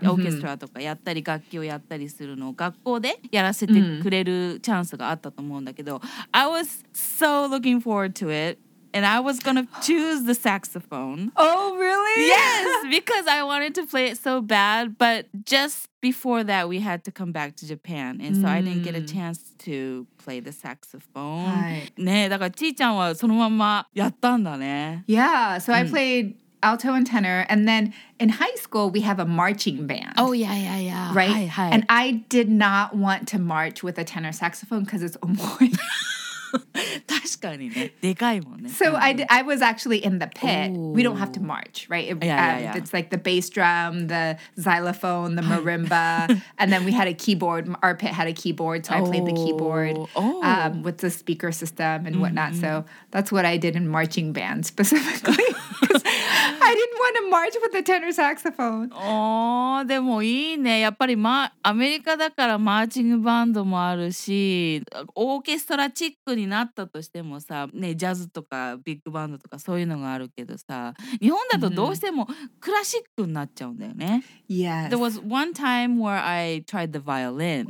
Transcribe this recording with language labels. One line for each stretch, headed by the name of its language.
Japanese: Orchestra とかやったり楽器をやったりするのを学校でやらせてくれるチャンスがあったと思うんだけど、
English: I was so looking forward to it. And I was gonna choose the saxophone. Oh, really? Yes, because I wanted to play it so bad. But just before that, we had to come back to Japan. And so I didn't get a chance to play the saxophone.
Japanese: ね、だからちーちゃんはそのままやったんだね。
English: Yeah, so I played... Alto and tenor. And then in high school, we have a marching band. Oh, yeah, yeah, yeah. Right? Hi, hi. And I did not want to march with a tenor saxophone because it's omoi.
Japanese: 確かにね。でかいもんね。
English: So I was actually in the pit. We don't have to march, right? Yeah. It's like the bass drum, the xylophone, the marimba. And then we had a keyboard. Our pit had a keyboard. So I played the keyboard with the speaker system and whatnot. So that's what I did in marching band specifically. I didn't want to march with the tenor saxophone.
Japanese: Oh, でもいいね。やっぱりまアメリカだからマーチングバンドもあるし、オーケストラチックになったとしてもさ、ね、ジャズとかビッグバンドとかそういうのがあるけどさ、日本だとどうしてもクラシックになっちゃうんだよね。
English: Yes. There was one time where I tried the violin.